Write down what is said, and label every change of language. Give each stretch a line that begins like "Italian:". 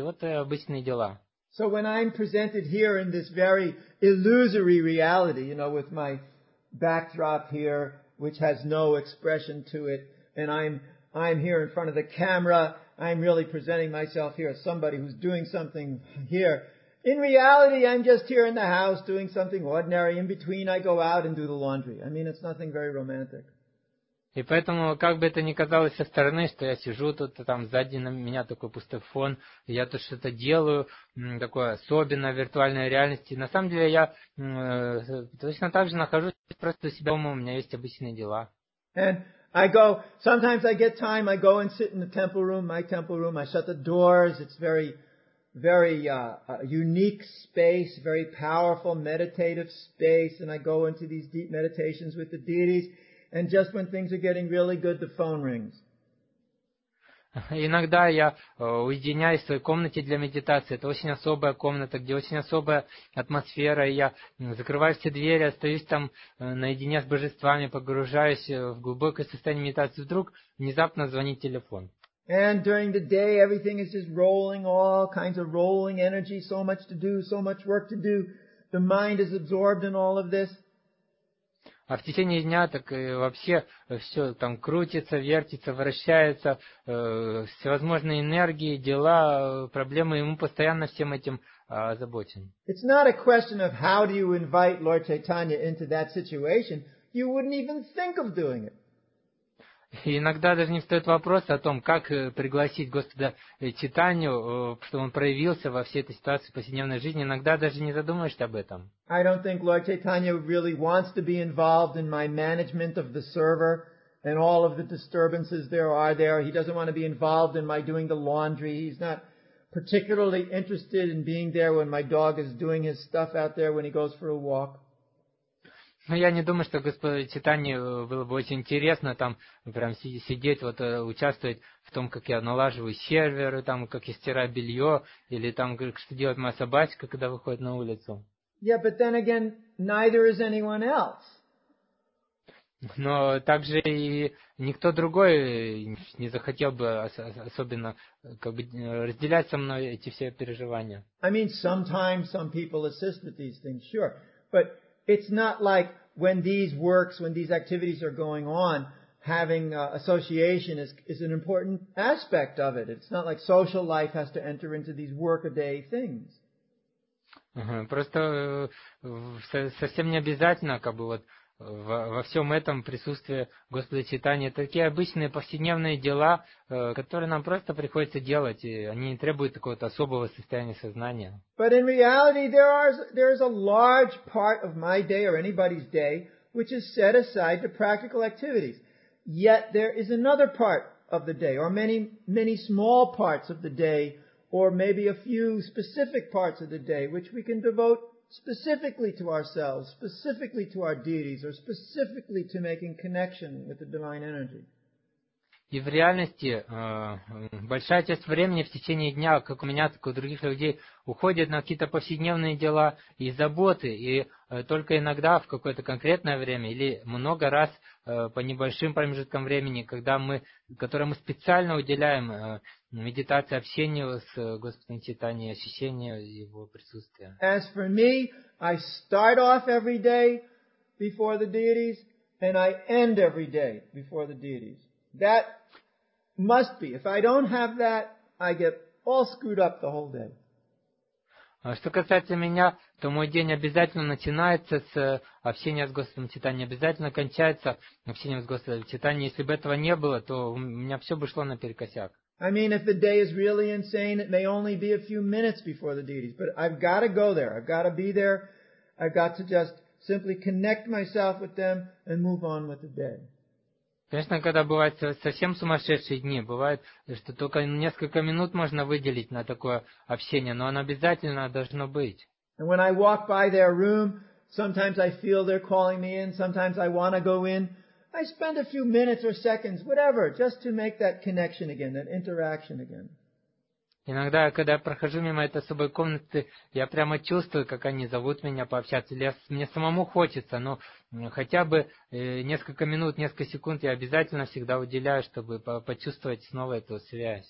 Russian: Вот обычные дела.
English: So when I'm presented here in this very illusory reality, you know, with my backdrop here, which has no expression to it, and I'm here in front of the camera, I'm really presenting myself here as somebody who's doing something here. In reality, I'm just here in the house doing something ordinary. In between, I go out and do the laundry. I mean, it's nothing very romantic.
Russian: И поэтому, как бы это ни казалось со стороны, что я сижу тут, там сзади на меня такой пустой фон, я тут что-то делаю, такое особенное в виртуальной реальности. На самом деле я точно так же нахожусь просто у себя дома, у меня есть обычные дела.
English: And I go, sometimes I get time, I go and sit in the temple room, my temple room, I shut the doors, it's very, very unique space, very powerful meditative space, and I go into these deep meditations with the deities. And just when things are getting really good, the phone rings.
Russian: Иногда я уединяюсь в своей комнате для медитации. Это очень особая комната, где очень особая атмосфера. И я закрываю все двери, остаюсь там наедине с божествами, погружаюсь в глубокое состояние медитации. Вдруг внезапно звонит телефон.
English: And during the day, everything is just rolling, all kinds of rolling energy. So much to do, so much work to do. The mind is absorbed in all of this.
Russian: А в течение дня так вообще все там крутится, вертится, вращается, всевозможные энергии, дела, проблемы, и мы постоянно всем этим озабочен.
English: It's not a question of how do you invite Lord Chaitanya into that situation. You wouldn't even think of doing it.
Russian: Иногда даже не встает вопрос о том, как пригласить Господа Чайтанью, чтобы он проявился во всей этой ситуации в повседневной жизни. Иногда даже не задумываешься об этом.
English: I don't think Lord Chaitanya really wants to be involved in my management of the server and all of the disturbances there are there. He doesn't want to be involved in my doing the laundry. He's not particularly interested in being there when my dog is doing his stuff out there when he goes for a walk.
Russian: Но я не думаю, что Господу Чайтанье было бы очень интересно там прям сидеть, вот участвовать в том, как я налаживаю сервер, там, как я стираю белье, или там, что делает моя собачка, когда выходит на улицу.
English: Yeah, but then again, neither is anyone else.
Russian: Но также и никто другой не захотел бы особенно как бы разделять со мной эти все переживания.
English: I mean, sometimes some people assist with these things, sure. But it's not like when these works, when these activities are going on, having association is an important aspect of it. It's not like social life has to enter into these workaday things.
Russian: Просто совсем не обязательно, как бы вот во всем этом присутствие Господа Читания. Такие обычные повседневные дела, которые нам просто приходится делать, и они не требуют какого-то особого состояния сознания.
English: But in reality, there is a large part of my day or anybody's day which is set aside to practical activities. Yet there is another part of the day, or many, many small parts of the day, or maybe a few specific parts of the day, which we can devote specifically to ourselves, specifically to our deities, or specifically to making connection with the divine energy.
Russian: И в реальности большая часть времени в течение дня, как у меня, так и у других людей, уходит на какие-то повседневные дела и заботы, и только иногда в какое-то конкретное время или много раз по небольшим промежуткам времени, которое мы специально уделяем медитации, общению с Господом Читанием, ощущению Его присутствия.
English: As for me, I start off every day before the deities, and I end every day before the deities. That must be. If I don't have that, I get all screwed up the whole day.
Russian: Что касается меня, то мой день обязательно начинается с общения с Господом Читанием, обязательно кончается общением с Господом Читанием. Если бы этого не было, то у меня все бы шло наперекосяк.
English: I mean, if the day is really insane, it may only be a few minutes before the deities, but I've got to go there. I've got to be there. I've got to just simply connect myself with them and move on with the day.
Russian: Конечно, когда бывают совсем сумасшедшие дни, бывает, что только несколько минут можно выделить на такое общение, но оно обязательно должно быть.
English: And when I walk by their room, sometimes I feel they're calling me in, sometimes I want to go in. I spend a few minutes or seconds, whatever, just to make that connection again, that interaction again.
Russian: Иногда, когда я прохожу мимо этой особой комнаты, я прямо чувствую, как они зовут меня пообщаться. Или мне самому хочется, но хотя бы несколько минут, несколько секунд я обязательно всегда уделяю, чтобы почувствовать снова эту связь.